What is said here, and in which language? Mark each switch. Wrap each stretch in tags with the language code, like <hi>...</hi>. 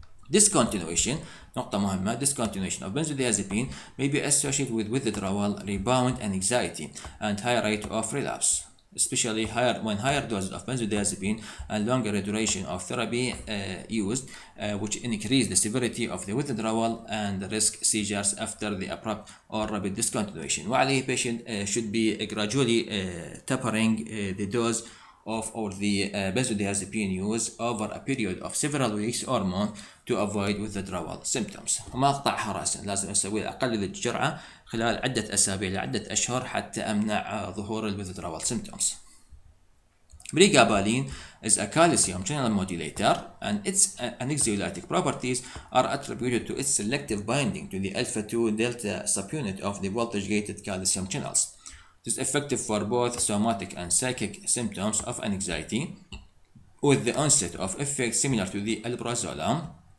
<en>Discontinuation,</en> <ar>نقطه مهمه,</ar> <en>discontinuation of benzodiazepine may be associated with withdrawal, rebound, and anxiety, and high rate of relapse, especially when higher doses of benzodiazepine and longer duration of therapy used, which increase the severity of the withdrawal and risk seizures after the abrupt or rapid discontinuation. While the patient should be gradually tapering the dose of or the benzodiazepine use over a period of several weeks or month to avoid withdrawal symptoms.</en> <ar>مقطع حراسة لازم أسوي أقل الجرعة خلال عدة أسابيع لعدة أشهر حتى أمنع ظهور withdrawal symptoms.</ar> <en>Pregabalin is a calcium channel modulator and its anxiolytic properties are attributed to its selective binding to the alpha 2 delta subunit of the voltage-gated calcium channels. Is effective for both somatic and psychic symptoms of anxiety with the onset of effects similar to the alprazolam.</en>